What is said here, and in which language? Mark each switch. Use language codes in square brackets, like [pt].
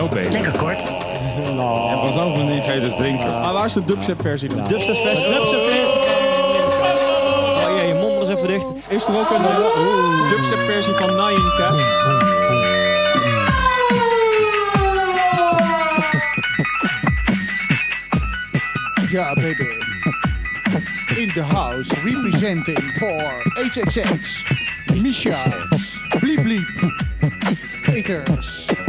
[nl] Lekker kort. En vanzelf niet ga je dus drinken. Maar waar is de dubstep-versie dan? Dubstep-versie. Oh jee, je mond was even dicht. Is er ook een dubstep-versie van Nyan Cat? [en] Ja, baby. In the house, representing for HXX, Misha, Bliep Bliep, Peters.